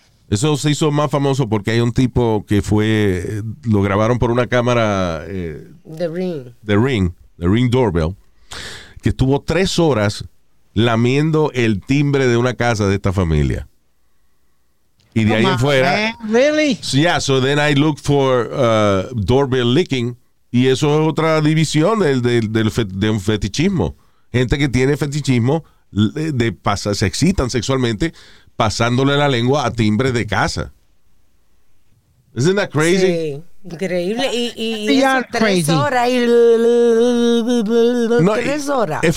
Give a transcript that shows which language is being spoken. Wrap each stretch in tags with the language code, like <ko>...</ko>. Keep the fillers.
<es>Eso se hizo más famoso porque hay un tipo que fue. Lo grabaron por una cámara. Eh, the Ring. The Ring, The Ring Doorbell. Que estuvo tres horas lamiendo el timbre de una casa de esta familia. Y de no ahí man, en fuera.</es> <en>Man, really? So yeah, so then I look for uh, doorbell licking.</en> <es>Y eso es otra división del, del, del fe, de un fetichismo. Gente que tiene fetichismo de, de pasa, se excitan sexualmente pasándole la lengua a timbre de casa.</es> <en>Isn't that crazy? Sí.</en> <es>Increíble. Y, y, y, eso, ya, tres, hey, horas, y no, tres horas. tres horas. Es</es>